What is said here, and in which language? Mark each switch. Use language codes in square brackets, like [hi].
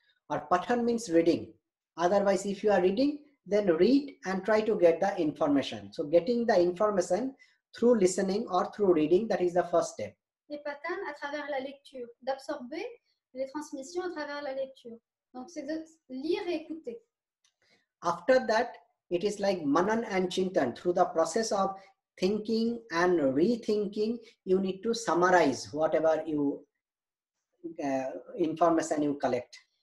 [en] Or Pathan means reading. Otherwise, if you are reading, then read and try to get the information. So getting the information through listening or through reading, that is the first step. [fr] Et Pathan, à travers la lecture, d'absorber les transmissions à travers la lecture. Donc c'est de lire et écouter. [en] After that, it is like manan and chintan. Through the process of thinking and rethinking, you need to summarize whatever information you collect.